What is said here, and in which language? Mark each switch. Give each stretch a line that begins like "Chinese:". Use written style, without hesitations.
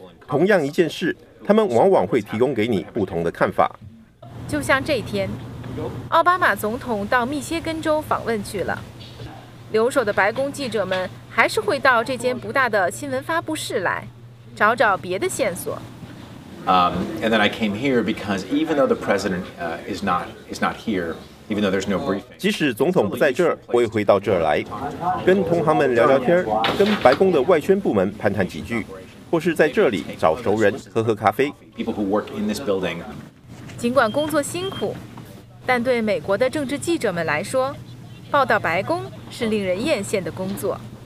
Chinese: 同样一件事，他们往往会提供给你不同的看法。就像这天，奥巴马总统到密歇根州访问去了。留守的白宫记者们还是会到这间不大的新闻发布室来，找找别的线索。
English: And then I came here because even though the president is not here, even though there's no briefing,
Chinese: 即使总统不在这儿，我也回到这儿来，跟同行们聊聊天，跟白宫的外宣部门攀谈几句，或是在这里找熟人喝喝咖啡。
English: People who work in this building,
Chinese: 尽管工作辛苦，但对美国的政治记者们来说，报道白宫是令人艳羡的工作。